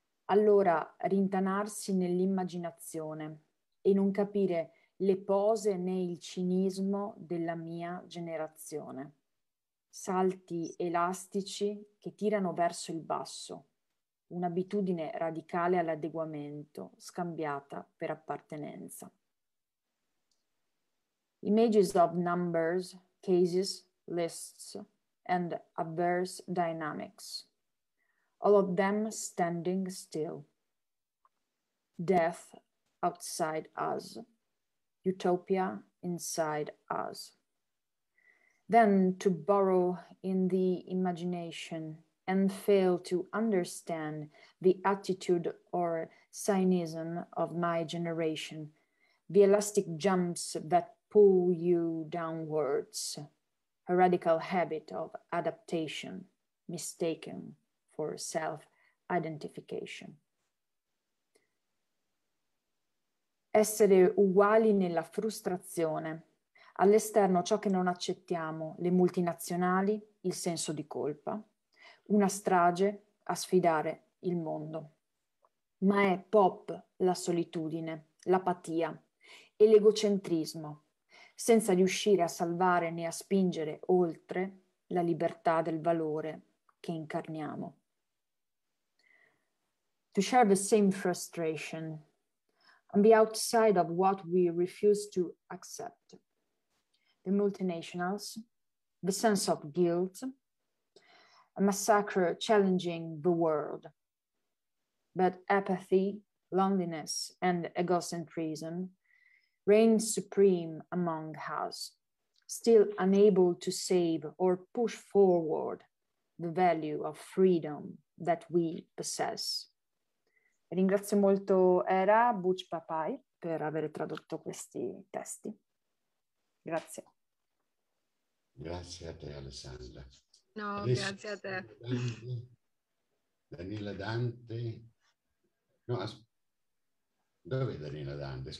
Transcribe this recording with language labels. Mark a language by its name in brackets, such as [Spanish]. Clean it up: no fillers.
[Italian] Allora, rintanarsi nell'immaginazione e non capire le pose né il cinismo della mia generazione. Salti elastici che tirano verso il basso, un'abitudine radicale all'adeguamento scambiata per appartenenza. [English] Images of numbers, cases, lists, and adverse dynamics. All of them standing still. Death outside us. Utopia inside us. Then to burrow in the imagination and fail to understand the attitude or cynism of my generation, the elastic jumps that pull you downwards, a radical habit of adaptation, mistaken for self-identification. [Italian] Essere uguali nella frustrazione, all'esterno ciò che non accettiamo, le multinazionali, il senso di colpa, una strage a sfidare il mondo. Ma è pop la solitudine, l'apatia e l'egocentrismo, senza riuscire a salvare né a spingere oltre la libertà del valore che incarniamo. [English] To share the same frustration on the outside of what we refuse to accept. The multinationals, the sense of guilt, a massacre challenging the world. But apathy, loneliness, and egocentrism reign supreme among us, still unable to save or push forward the value of freedom that we possess. [Italian] Ringrazio molto Era Butch Papai per aver tradotto questi testi. Grazie. Grazie a te, Alessandra. No, adesso grazie a te. Daniela Dante. No, dove è Daniela Dante?